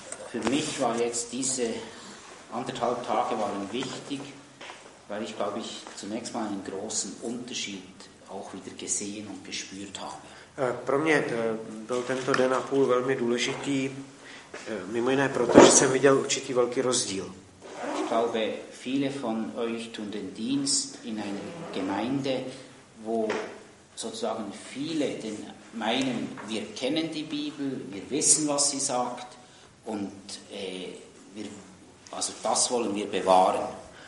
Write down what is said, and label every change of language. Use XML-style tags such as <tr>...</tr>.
<de>Für mich war jetzt diese anderthalb Tage waren wichtig, weil ich, glaube ich, zunächst mal einen großen Unterschied auch wieder gesehen und gespürt habe.</de> <cs>Pro mě byl tento den a půl velmi důležitý, mimo jiné proto, že jsem viděl určitý velký rozdíl.</cs> <de>Ich glaube, viele von euch tun den Dienst in einer Gemeinde, wo sozusagen viele den meinen, wir kennen die Bibel, wir wissen, was sie sagt, und wir, also das wollen wir bewahren.</de>